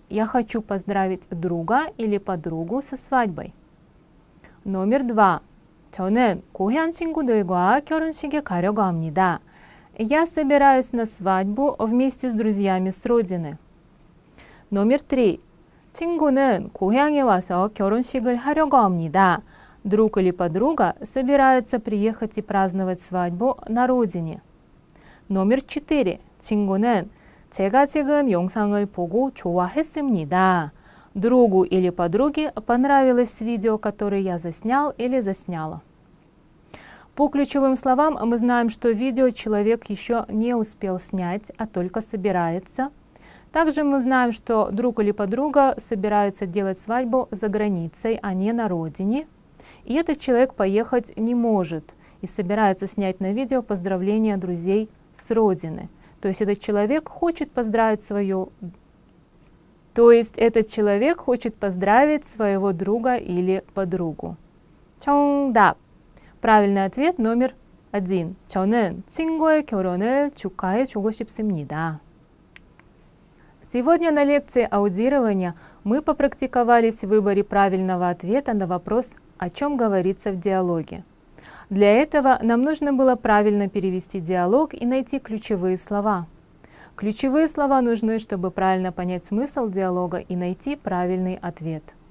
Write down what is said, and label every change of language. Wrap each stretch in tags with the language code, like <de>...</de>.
<ru>Я хочу поздравить друга или подругу со свадьбой. Номер два.</ru> <ko>저는 고향 친구들과 결혼식에 가려고 합니다.</ko> <ru>Я собираюсь на свадьбу вместе с друзьями с родины. Номер 3.</ru> <ko>친구는 고향에 와서 결혼식을 하려고 합니다.</ko> <ru>Друг или подруга собираются приехать и праздновать свадьбу на родине. Номер 4.</ru> <ko>친구는 제가 찍은 영상을 보고 좋아했습니다.</ko> <ru>Другу или подруге понравилось видео, которое я заснял или засняла. По ключевым словам мы знаем, что видео человек еще не успел снять, а только собирается. Также мы знаем, что друг или подруга собирается делать свадьбу за границей, а не на родине. И этот человек поехать не может и собирается снять на видео поздравления друзей с родины. То есть этот человек хочет поздравить свою... То есть этот человек хочет поздравить своего друга или подругу. Чонгдап. Правильный ответ номер один.</ru> <ko>저는 친구의 결혼을 축하해 주고 싶습니다.</ko> <ru>Сегодня на лекции аудирования мы попрактиковались в выборе правильного ответа на вопрос, о чем говорится в диалоге. Для этого нам нужно было правильно перевести диалог и найти ключевые слова. Ключевые слова нужны, чтобы правильно понять смысл диалога и найти правильный ответ.</ru>